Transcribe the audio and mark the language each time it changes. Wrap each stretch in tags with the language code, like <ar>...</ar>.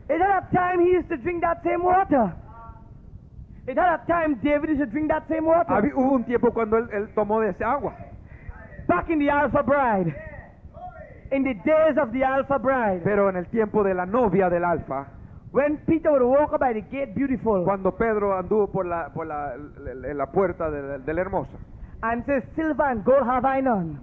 <en>It had a time he used to drink that same water. It had a time David used to drink that same water.</en> <es>Hubo un tiempo cuando él tomó de ese agua.</es> <en>Back in the Alpha Bride. In the days of the Alpha Bride.</en> <es>Pero en el tiempo de la novia del Alpha.</es> <en>When Peter would walk by the gate beautiful.</en> <es>Cuando Pedro anduvo por la puerta del hermoso.</es> <en>And says, silver and gold have I none.</en>